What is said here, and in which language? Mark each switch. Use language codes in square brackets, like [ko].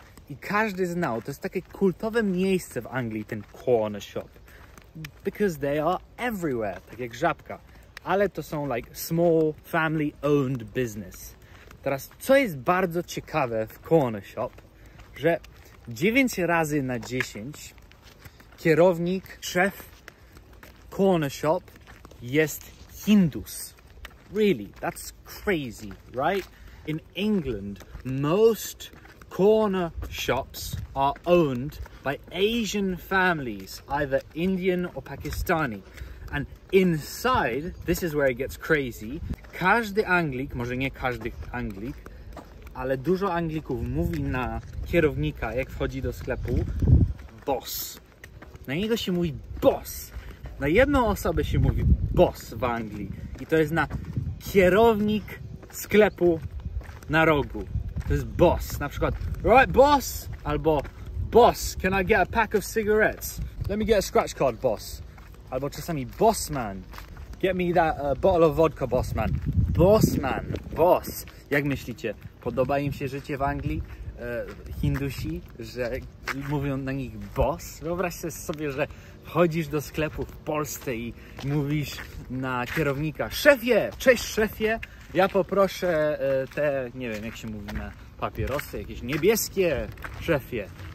[pl] I każdy znał, to jest takie kultowe miejsce w Anglii, ten corner shop. [en] Because they are everywhere, [pl] tak jak żabka. Ale to są [en] like small family owned business. [pl] Teraz, co jest bardzo ciekawe w corner shop, że 9 razy na 10 kierownik, szef corner shop jest Hindus. [en] Really, that's crazy, right? In England, most corner shops are owned by Asian families, either Indian or Pakistani. And inside, this is where it gets crazy, [pl] każdy Anglik, może nie każdy Anglik, ale dużo Anglików mówi na kierownika, jak wchodzi do sklepu, boss. Na niego się mówi boss. Na jedną osobę się mówi boss w Anglii. I to jest na kierownik sklepu na rogu. To jest boss. Na przykład, [en] right boss? [pl] Albo [en] boss, can I get a pack of cigarettes? Let me get a scratch card, boss. [pl] Albo czasami [en] boss man. Get me that bottle of vodka, boss man. Boss man, boss. [pl] Jak myślicie, podoba im się życie w Anglii? Hindusi, że mówią na nich boss? Wyobraź sobie, że chodzisz do sklepu w Polsce i mówisz na kierownika: szefie, cześć szefie, ja poproszę te, nie wiem jak się mówi, na papierosy, jakieś niebieskie, szefie.